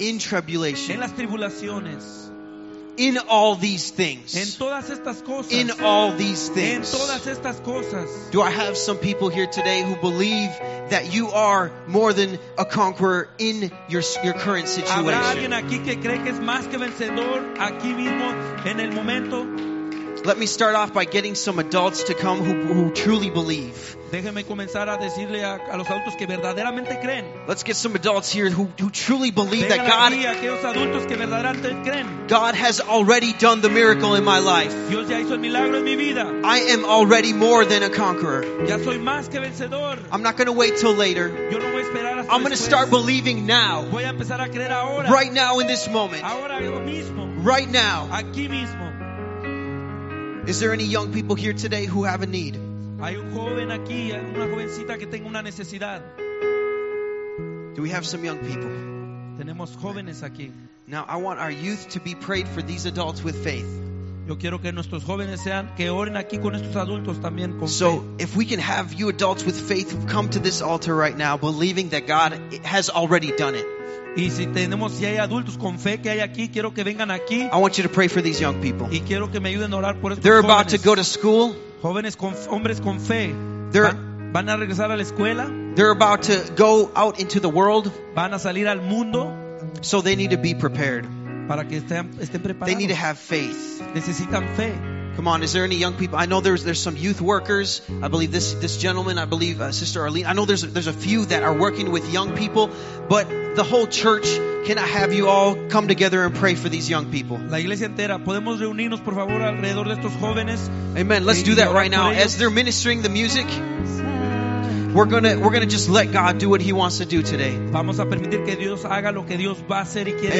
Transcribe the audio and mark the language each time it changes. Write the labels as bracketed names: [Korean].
[English] in tribulation, [Spanish] en las tribulaciones, [English] in all these things, [Spanish] en todas estas cosas, [English] in all these things. [Spanish] En todas estas cosas. [English] Do I have some people here today who believe that you are more than a conqueror in your current situation? [Spanish] ¿Habrá alguien aquí que cree que es más que vencedor aquí mismo en el momento? [English] Let me start off by getting some adults to come who truly believe. [Spanish] Déjeme comenzar a decirle a los adultos que verdaderamente creen. [English] Let's get some adults here who truly believe that God. [Spanish] Déjame aquí a los adultos que verdaderamente creen. [English] God has already done the miracle in my life. [Spanish] Dios ya hizo el milagro en mi vida. [English] I am already more than a conqueror. [Spanish] Ya soy más que vencedor. [English] I'm not going to wait till later. [Spanish] Yo no voy a esperar hasta después. [English] I'm going to start believing now. [Spanish] Voy a empezar a creer ahora. [English] Right now in this moment. [Spanish] Ahora mismo. [English] Right now. [Spanish] Aquí mismo. [English] Is there any young people here today who have a need? [Spanish] Hay un joven aquí, una jovencita que tenga una necesidad. [English] Do we have some young people? [Spanish] Tenemos jóvenes aquí. [English] Now I want our youth to be prayed for these adults with faith. [Spanish] Yo quiero que nuestros jóvenes sean que oren aquí con estos adultos también con fe. [English] So if we can have you adults with faith come to this altar right now, believing that God has already done it. [Spanish] Y si tenemos, si hay adultos con fe que hay aquí, quiero que vengan aquí. [English] I want you to pray for these young people. [Spanish] Y quiero que me ayuden a orar por estos [English] They're [Spanish] jóvenes. [English] About to go to school. [Spanish] Jóvenes con, hombres con fe. [English] They're, [Spanish] van a regresar a la escuela. [English] They're about to go out into the world. [Spanish] Van a salir al mundo. [English] So they need to be prepared. [Spanish] Para que estén preparados. [English] They need to have faith. [Spanish] Necesitan fe. [English] Come on, is there any young people? I know there's some youth workers. I believe this gentleman, I believe Sister Arlene. I know there's a few that are working with young people, but the whole church, can I have you all come together and pray for these young people? [Spanish] La iglesia entera, podemos reunirnos por favor alrededor de estos jóvenes. [English] Amen. Let's do that right now as they're ministering the music. We're gonna just let God do what He wants to do today. [Spanish] Vamos a permitir que Dios haga lo que Dios va a hacer y quiere